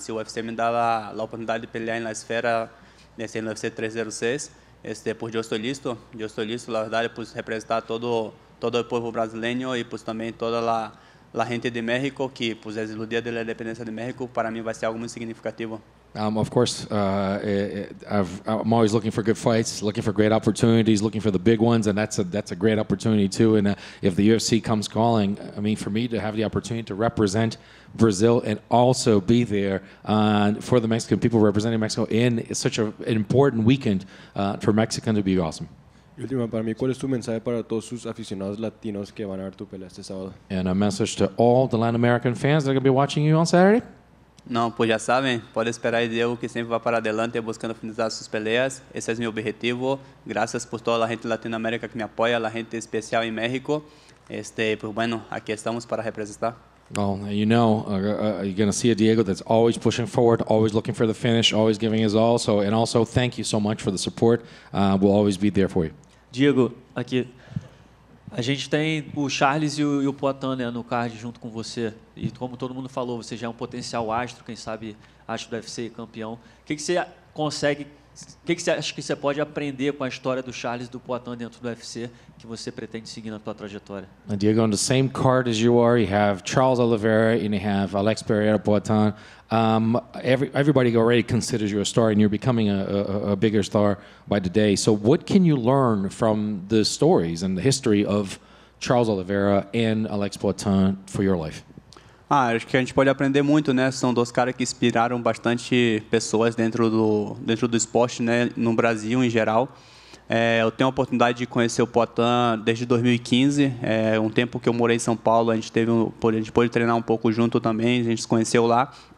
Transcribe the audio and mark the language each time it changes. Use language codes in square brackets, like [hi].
[es] Si UFC me da la oportunidad de pelear en la esfera, en UFC 306, pues yo estoy listo, la verdad, pues representar todo el pueblo brasileño y pues también toda la gente de México, que pues desde el día de la independencia de México, para mí va a ser algo muy significativo. [en] Of course, I'm always looking for good fights, looking for great opportunities, looking for the big ones, and that's a great opportunity too. And if the UFC comes calling, I mean, for me to have the opportunity to represent Brazil and also be there for the Mexican people representing Mexico in such an important weekend for Mexico to be awesome. [es] Última para mí, ¿cuál es tu mensaje para todos sus aficionados latinos que van a ver tu pelea este sábado? [en] And a message to all the Latin American fans that are going to be watching you on Saturday. [es] No, pues ya saben, puede esperar a Diego que siempre va para adelante buscando finalizar sus peleas. Ese es mi objetivo. Gracias por toda la gente de Latinoamérica que me apoya, la gente especial en México. Pues bueno, aquí estamos para representar. [en] Well, you know, you're going to see a Diego that's always pushing forward, always looking for the finish, always giving his all. So, and also, thank you so much for the support. We'll always be there for you. [es] Diego, aquí. [pt] A gente tem o Charles e o Poitin, né, no card junto com você. E como todo mundo falou, você já é um potencial astro, quem sabe astro do UFC campeão. O que você consegue O que, que você acha que você pode aprender com a história do Charles do Poitin dentro do UFC que você pretende seguir na sua trajetória? [en] And Diego, on the same card as you are, you have Charles Oliveira and you have Alex Pereira Poitin. Everybody already considers you a star and you're becoming a bigger star by the day. So what can you learn from the stories and the history of Charles Oliveira and Alex Poitin for your life? [pt] Ah, acho que a gente pode aprender muito, né? São dois caras que inspiraram bastante pessoas dentro do esporte, né? No Brasil em geral. Eu tenho a oportunidade de conhecer o Poitin desde 2015. Um tempo que eu morei em São Paulo, a gente pôde treinar um pouco junto também, a gente se conheceu lá.